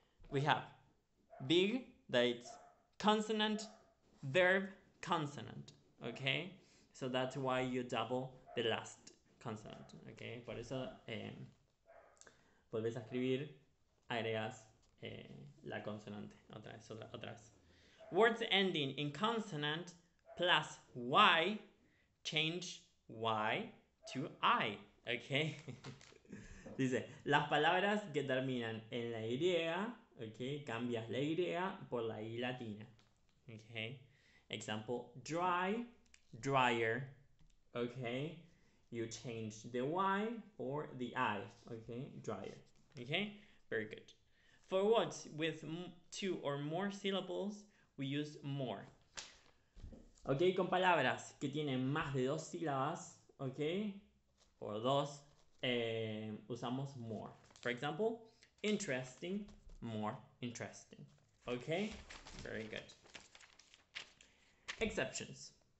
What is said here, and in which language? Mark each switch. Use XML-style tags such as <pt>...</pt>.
<en>We have big, that it's consonant, verb, consonant, okay? So that's why you double the last consonant, okay?</en> <es>Por eso volvés a escribir, agregas la consonante otra vez, otra vez.</es> <en>Words ending in consonant plus y, change y to i, okay?</en> <es>Dice, las palabras que terminan en la y, okay, cambias la y por la i latina, okay?</es> <en>Example, dry, drier, okay? You change the Y for the I, okay? Drier. Okay? Very good. For words with two or more syllables, we use more.</en> <es>Okay, con palabras que tienen más de dos sílabas, okay? O dos, usamos more.</es> <en>For example, interesting, more interesting. Okay? Very good. Exceptions.</en>